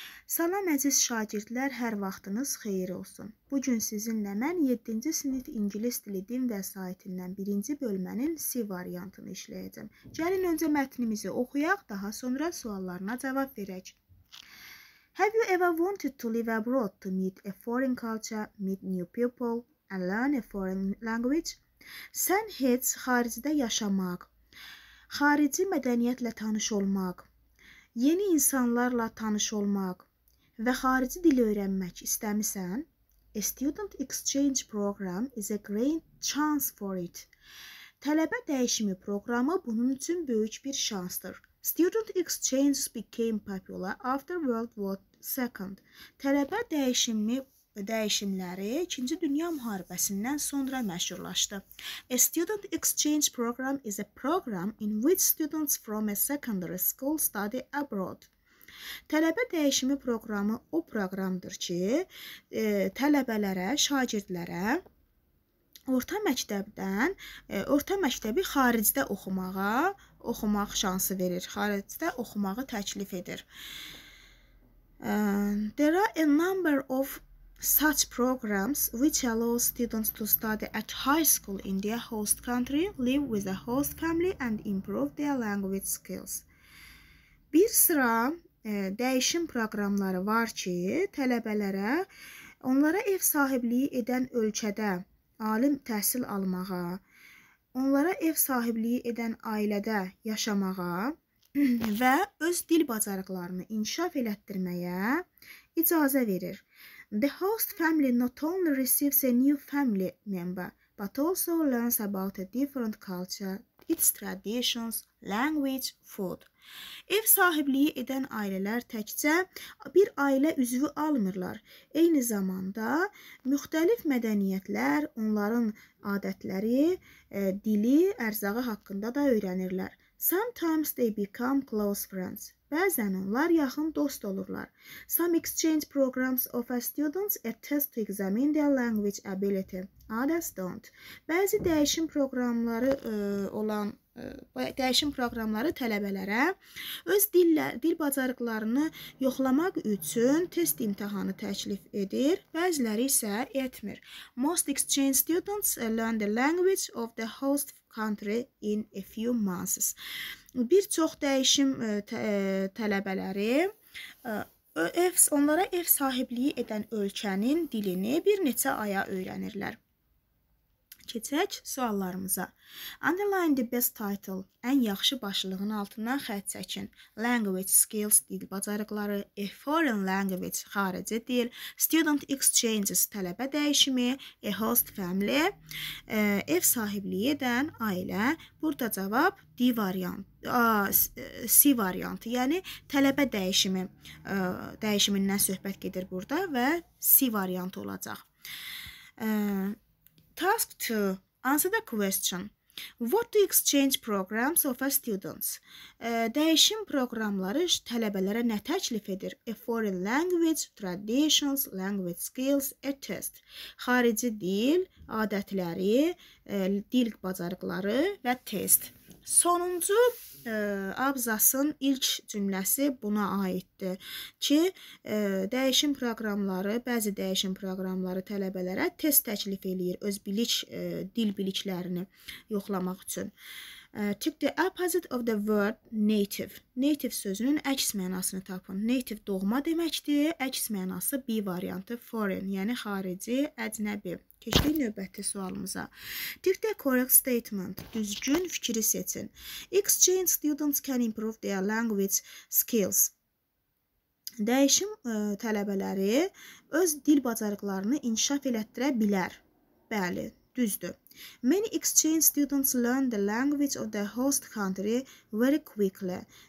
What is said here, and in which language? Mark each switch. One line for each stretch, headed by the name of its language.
Azerbaijani: Salam əziz şagirdlər, hər vaxtınız xeyir olsun. Bugün sizinlə mən 7-ci sinif ingilis dili din vəsaitindən 1-ci bölmənin C variantını işləyəcəm. Gəlin öncə mətnimizi oxuyaq, daha sonra suallarına cavab verək.
English: Have you ever wanted to live abroad to meet a foreign culture, meet new people and learn a foreign language?
Azerbaijani: Sən heç xaricdə yaşamaq, xarici mədəniyyətlə tanış olmaq, yeni insanlarla tanış olmaq, və xarici dili öyrənmək istəmirsən,
English: a student exchange program is a great chance for it.
Azerbaijani: Tələbə dəyişimi proqramı bunun üçün böyük bir şansdır.
English: Student exchange became popular after World War II.
Azerbaijani: Tələbə dəyişimləri 2-ci dünya müharibəsindən sonra məşhurlaşdı.
English: A student exchange program is a program in which students from a secondary school study abroad.
Azerbaijani: Tələbə dəyişimi proqramı o proqramdır ki, tələbələrə, şagirdlərə orta məktəbi xaricdə oxumaq şansı verir, xaricdə oxumağı təklif edir.
English: There are a number of such programs which allow students to study at high school in their host country, live with a host family and improve their language skills.
Azerbaijani: Bir sıra dəyişim proqramları var ki, tələbələrə onlara ev sahibliyi edən ölkədə alim təhsil almağa, onlara ev sahibliyi edən ailədə yaşamağa və öz dil bacarıqlarını inkişaf elətdirməyə icazə verir.
English: The host family not only receives a new family member, but also learns about a different culture, its traditions, language, food.
Azerbaijani: Ev sahibliyi edən ailələr təkcə bir ailə üzvü almırlar. Eyni zamanda müxtəlif mədəniyyətlər, onların adətləri, dili, ərzağı haqqında da öyrənirlər.
English: Sometimes they become close friends.
Azerbaijani: Bəzən onlar yaxın dost olurlar.
English: Some exchange programs offer students a test to examine their language ability. Others don't.
Azerbaijani: Bəzi dəyişim proqramları tələbələrə öz dil bacarıqlarını yoxlamaq üçün test imtahanı təklif edir, bəziləri isə etmir.
English: Most exchange students learn the language of the host country in a few months.
Azerbaijani: Bir çox dəyişim tələbələri onlara ev sahibliyi edən ölkənin dilini bir neçə aya öyrənirlər. Keçək suallarımıza.
English: Underline the best title.
Azerbaijani: Ən yaxşı başlığın altından xətt çəkin.
English: Language skills,
Azerbaijani: dil bacarıqları.
English: A foreign language,
Azerbaijani: xarici dil.
English: Student exchanges,
Azerbaijani: tələbə dəyişimi.
English: A host family,
Azerbaijani: ev sahibliyi edən ailə. Burada cavab C variantı, yəni tələbə dəyişimindən söhbət gedir burada və C variantı olacaq.
English: Task 2. Answer the question. What do exchange programs offer students?
Azerbaijani: Dəyişim proqramları tələbələrə nə təklif edir?
English: A foreign language, traditions, language skills, a test.
Azerbaijani: Xarici dil, adətləri, dil bacarıqları və test. Sonuncu abzasın ilk cümləsi buna aiddir ki, bəzi dəyişim proqramları tələbələrə test təklif eləyir öz dil biliklərini yoxlamaq üçün.
English: Took the opposite of the word native.
Azerbaijani: Native sözünün əks mənasını tapın. Native doğma deməkdir, əks mənası B variantı foreign, yəni xarici, əcnəbi. Keçdik növbəti sualımıza.
English: Tick the correct statement.
Azerbaijani: Düzgün fikri seçin.
English: Exchange students can improve their language skills.
Azerbaijani: Dəyişim tələbələri öz dil bacarıqlarını inkişaf elətdirə bilər. Bəli, düzdür.
English: Many exchange students learn the language of their host country very quickly.